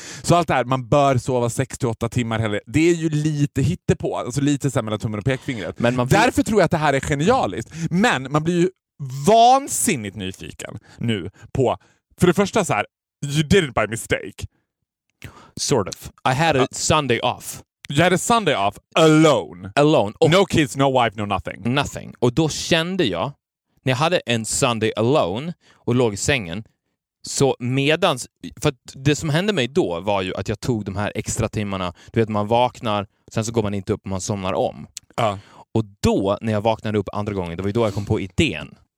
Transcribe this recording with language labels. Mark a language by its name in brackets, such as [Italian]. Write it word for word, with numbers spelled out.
[Swedish] Så allt det här, man bör sova sex till åtta timmar heller. Det är ju lite hittepå. Alltså lite så här mellan tummen och pekfingret. Men man vill- Därför tror jag att det här är genialiskt. Men man blir ju vansinnigt nyfiken nu på, för det första så här, [English] you did it by mistake. Sort of. I had a Sunday off. You had a Sunday off alone. Alone. [Swedish] Och [English] No kids, no wife, no nothing. nothing. [Swedish] Och då kände jag, när jag hade en Sunday alone och låg i sängen, så medans, för att det som hände mig då var ju att jag tog de här extra timmarna, du vet man vaknar, sen så går man inte upp och man somnar om. Ja. Och då, när jag vaknade upp andra gången, det var ju då jag kom på idén.